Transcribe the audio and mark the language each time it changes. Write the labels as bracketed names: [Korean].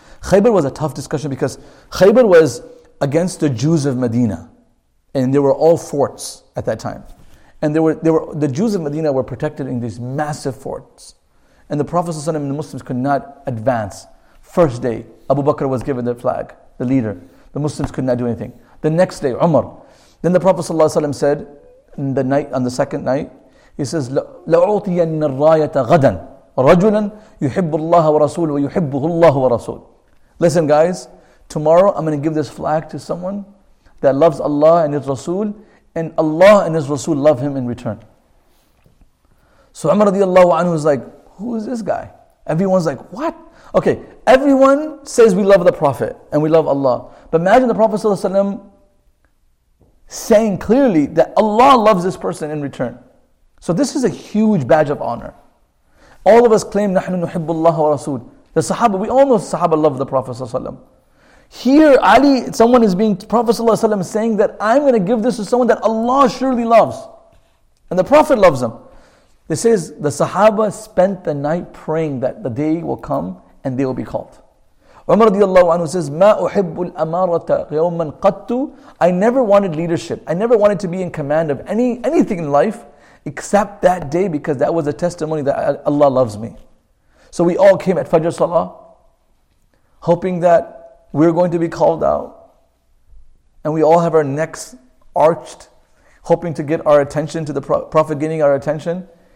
[English] Khaybar was a tough discussion because Khaybar was against the Jews of Medina. And they were all forts at that time. And they were the Jews of Medina were protected in these massive forts. And the Prophet ﷺ and the Muslims could not advance. First day, Abu Bakr was given the flag, the leader. The Muslims could not do anything. The next day, Umar. Then the Prophet ﷺ said, on the second night, he says, [Arabic] لَعُطِيَنَّ الرَّايَةَ غَدًا رَجُلًا يُحِبُّ اللَّهَ وَرَسُولُ وَيُحِبُّهُ اللَّهُ وَرَسُولُ. [English] Listen guys, tomorrow I'm going to give this flag to someone that loves Allah and His Rasul, and Allah and His Rasul love him in return. So Umar radiallahu anhu was like, who is this guy? Everyone's like, what? Okay, everyone says we love the Prophet and we love Allah. But imagine the Prophet ﷺ saying clearly that Allah loves this person in return. So this is a huge badge of honor. All of us claim, [Arabic] نَحْنُ نُحِبُّ اللَّهَ وَرَسُولُ. [English] The Sahaba, we all know the Sahaba love the Prophet ﷺ. Here, Ali, someone is being, Prophet ﷺ saying that I'm going to give this to someone that Allah surely loves. And the Prophet loves him. This is, the Sahaba spent the night praying that the day will come and they will be called. Umar radiallahu anhu says, [Arabic] مَا أُحِبُّ الْأَمَارَةَ يَوْمًا قَتُّ. [English] I never wanted leadership. I never wanted to be in command of anything in life except that day, because that was a testimony that Allah loves me. So we all came at Fajr Salah hoping that we're going to be called out, and we all have our necks arched hoping to get our attention to the Prophet, getting our attention.